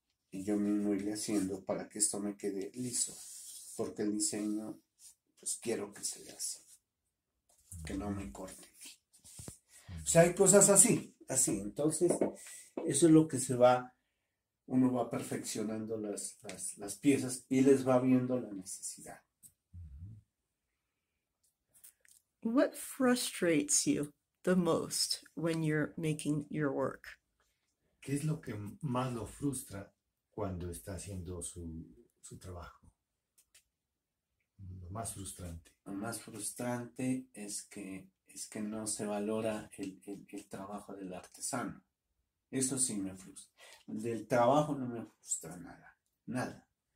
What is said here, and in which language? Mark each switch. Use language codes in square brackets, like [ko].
[es] Y yo mismo iré haciendo para que esto me quede liso. Porque el diseño, pues quiero que se vea así. Que no me corte. O sea, hay cosas así. Entonces, eso es lo que se va. Uno va perfeccionando las piezas y les va viendo la necesidad. [en] What frustrates you the most when you're making your work? [es] ¿Qué es lo que más lo frustra cuando está haciendo su trabajo? Lo más frustrante. Lo más frustrante es que no se valora el trabajo del artesano. Eso sí me frustra. Del trabajo no me frustra nada. Nada.